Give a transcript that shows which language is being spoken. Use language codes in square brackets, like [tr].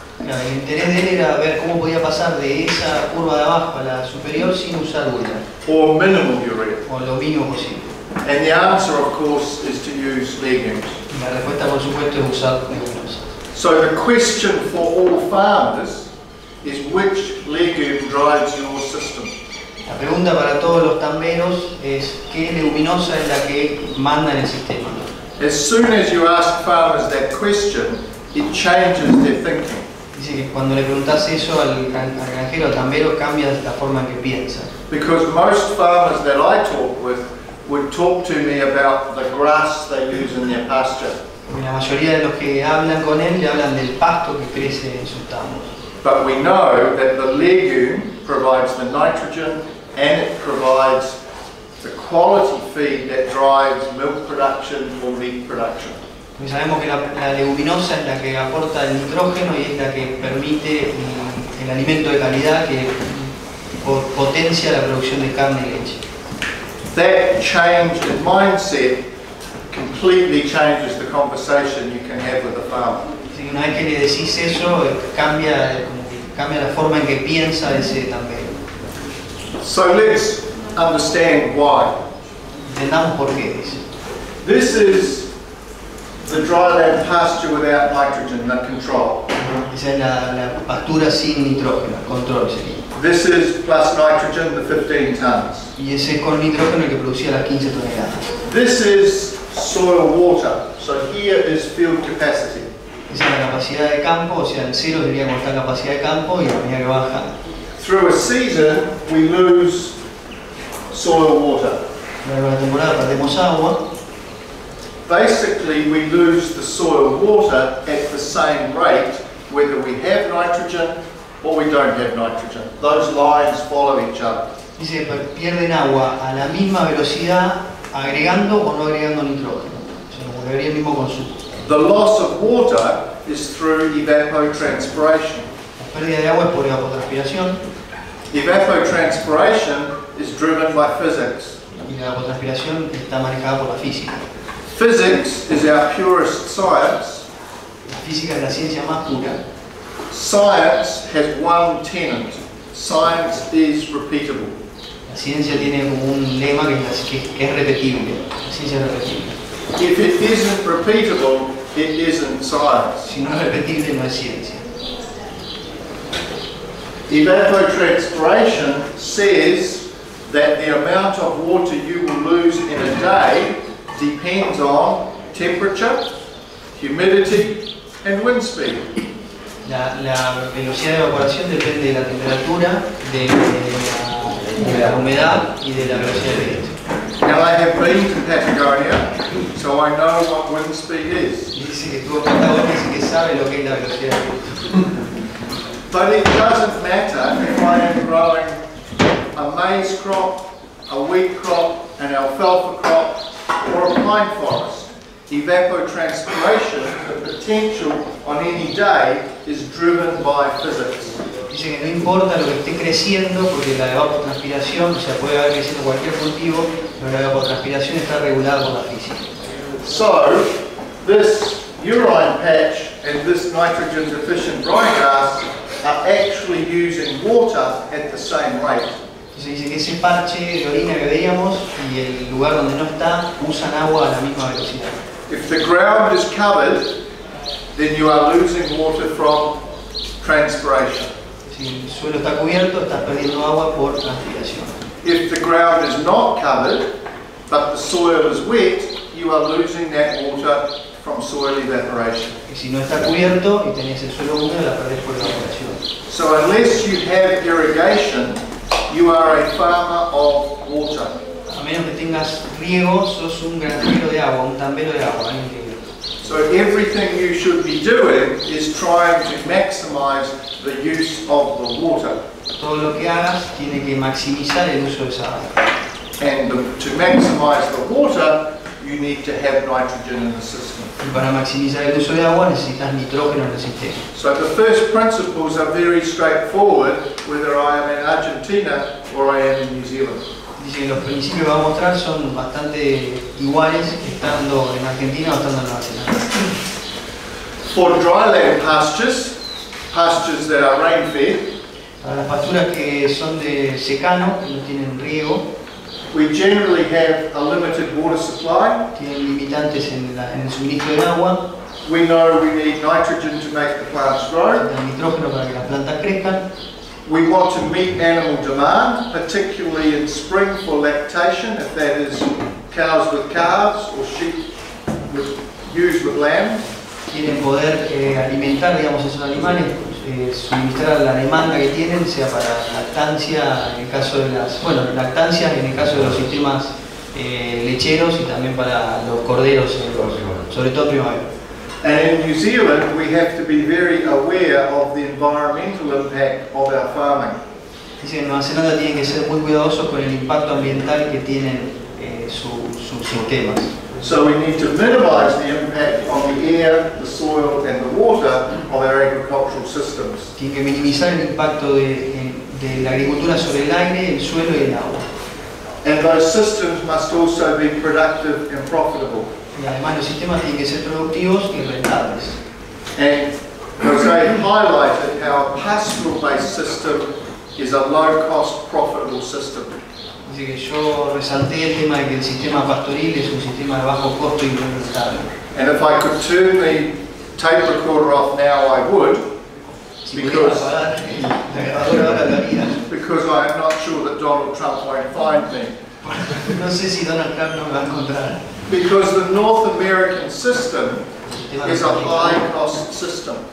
[es] Claro, el interés de él era ver cómo podía pasar de esa curva de abajo a la superior sin usar urea. [en] Or minimal urea. [es] O lo mínimo posible. [en] And the answer, of course, is to use legumes. [es] Y la respuesta, por supuesto, es usar legumes. [en] So the question for all farmers is which legume drives your system. [es] La pregunta para todos los tamberos es qué leguminosa es la que manda en el sistema. [en] As soon as you ask farmers that question, it changes their thinking. [es] Dice que cuando le preguntas eso al granjero, al tambero, cambia la forma en que piensa. [en] Because most farmers that I talk with would talk to me about the grass they use in their pasture. [es] Y la mayoría de los que hablan con él le hablan del pasto que crece en sus tambos. [en] But we know that the legume provides the nitrogen and it provides the quality feed that drives milk production or meat production. [es] Y sabemos que la leguminosa es la que aporta el nitrógeno y es la que permite el alimento de calidad que potencia la producción de carne y leche. [en] That change in mindset completely changes the conversation you can have with the farmer. [es] Si una vez que le decís eso, cambia la forma en que piensa ese tambero. [en] So let's understand why. [es] Entendamos por qué dice. [en] This is the dry land pasture without nitrogen, the control. [es] Esa es la pastura sin nitrógeno, control sería. [en] This is plus nitrogen, the 15 tons. [es] Y ese con nitrógeno que producía las 15 toneladas. [en] This is soil water, so here is field capacity. [es] Esa es la capacidad de campo, o sea, el cero debería mostrar capacidad de campo y la medida que baja. [en] Through a season, we lose soil water. [es] Durante la temporada perdemos agua. [en] Basically, we lose the soil water at the same rate, whether we have nitrogen or we don't have nitrogen. Those lines follow each other. [es] Dice, pierden agua a la misma velocidad agregando o no agregando nitrógeno. Se nos volvería el mismo consumo. [en] The loss of water is through evapotranspiration. [es] La pérdida de agua es por evapotranspiración. [en] Evapotranspiration is driven by physics. [es] Y la evapotranspiración está manejada por la física. [en] Physics is our purest science. [es] La física es la ciencia más pura. [en] Science has one tenet. Science is repeatable. [es] La ciencia tiene un lema que es repetible. La ciencia es repetible. [en] If it isn't repeatable, it isn't science. [es] Si no es repetible, no es ciencia. [en] Evapotranspiration says that the amount of water you will lose in a day depends on temperature, humidity, and wind speed. [es] La velocidad de evaporación depende de la temperatura, de la humedad y de la velocidad de viento. [en] Now I have been to Patagonia, so I know what wind speed is. [es] Dice que estuvo en Patagonia, así que sabe lo que es la velocidad de viento. [en] But it doesn't matter if I am growing a maize crop, a wheat crop, an alfalfa crop, or a pine forest. Evapotranspiration, the potential on any day, is driven by physics. [es] Dice que no importa lo que esté creciendo, porque la evapotranspiración, o sea, puede haber creciendo cualquier cultivo, pero la evapotranspiración está regulada por la física. [en] So, this urine patch and this nitrogen deficient ryegrass are actually using water at the same rate. [es] Dice que ese parche de orina que veíamos y el lugar donde no está usan agua a la misma velocidad. [en] If the ground is covered, then you are losing water from transpiration. [es] Si el suelo está cubierto, estás perdiendo agua por transpiración. [en] If the ground is not covered, but the soil is wet, you are losing that water from soil evaporation. [es] Y si no está cubierto y tenés el suelo húmedo, la perdés por evaporación. [en] So unless you have irrigation, You are a farmer of water. [es] A menos que tengas riego, sos un granjero de agua, un tambero de agua. [en] So everything you should be doing is trying to maximize the use of the water. [es] Todo lo que hagas tiene que maximizar el uso de esa agua. [en] And to maximize the water, you need to have nitrogen in the system. [es] Y para maximizar el uso de agua necesitas nitrógeno en el sistema. [en] So the first principles are very straightforward, whether I am in Argentina or I am in New Zealand. [es] Dice que los principios que va a mostrar son bastante iguales estando en Argentina o estando en Nueva Zelanda. [en] For dry land pastures, pastures that are rain fed, [es] para las pasturas que son de secano, que no tienen riego, [en] we generally have a limited water supply. [es] Tienen limitantes en el suministro de agua. [en] We know we need nitrogen to make the plants grow. [es] Necesitan nitrógeno para que las plantas crezcan. [en] We want to meet animal demand, particularly in spring for lactation, if that is cows with calves or sheep with ewes with lambs. [es] Quieren poder alimentar, digamos, esos animales, suministrar la demanda que tienen, sea para lactancia en el caso de las, bueno, lactancias en el caso de los sistemas lecheros y también para los corderos, sobre todo primavera. [en] And in New Zealand, we have to be very aware of the environmental impact of our farming. [es] Dice, Nueva Zelanda tiene que ser muy cuidadoso con el impacto ambiental que tienen sus sistemas. [en] So we need to minimize the impact on the air, the soil, and the water of our agricultural systems. [es] Tiene que minimizar el impacto de la agricultura sobre el aire, el suelo y el agua. [en] And those systems must also be productive and profitable. [es] Y además los sistemas tienen que ser productivos y rentables. [en] And Jose highlighted how a pastoral-based system is a low-cost, profitable system. [es] Dice que yo resalté el tema de que el sistema pastoril es un sistema de bajo costo y rentable. [en] And if I could turn the tape recorder off now, I would. [es] Si pudieras apagar la grabadora ahora, la haría. [en] Because I am not sure that Donald Trump won't find me. [es] No sé si Donald Trump no me va a encontrar. [en] Because the North American system is a high-cost system.